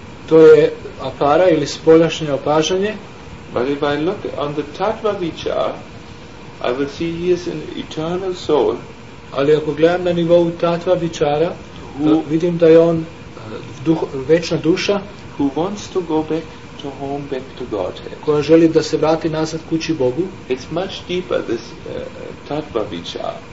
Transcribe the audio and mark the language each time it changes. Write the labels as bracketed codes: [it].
[sr] To je apara ili spoljašnje opažanje. [en] But if I look on the tattva vichar, I will see he is an eternal soul. [sr] Ali ako gledam na nivou tattva vichara, vidim da je on večna duša, [en] who wants to go back to home, back to Godhead. [sr] Koja želi da se vrati nazad kući Bogu. [en] It's much deeper, this tatva vichar.